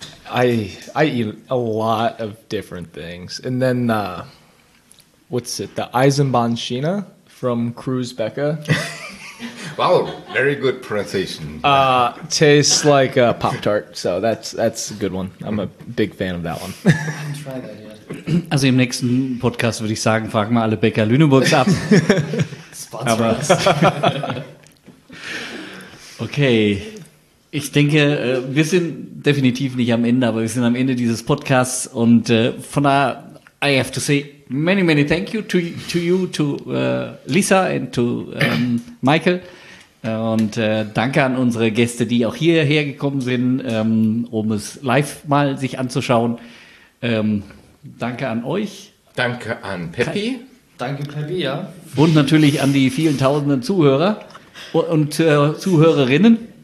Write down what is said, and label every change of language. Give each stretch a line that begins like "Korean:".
English: I eat a lot of different things. And then, what's it? The Eisenbahn Schiene from Cruz Becca. Wow, very good pronunciation. Tastes like a Pop-Tart, so that's a good one. I'm a big fan of that one.
German: Also im nächsten Podcast würde ich sagen, fragen wir alle Bäcker Lüneburgs ab. Sponsor. Okay, ich denke, wir sind definitiv nicht am Ende, aber wir sind am Ende dieses Podcasts. Und von daher,
English: I have to say many, many thank you to you, to Lisa and to Michael.
German: Und danke an unsere Gäste, die auch hierher gekommen sind, um es live mal sich anzuschauen. Danke an euch. Danke an Peppi. Danke Peppi, ja. Und natürlich an die vielen tausenden Zuhörer und Zuhörerinnen.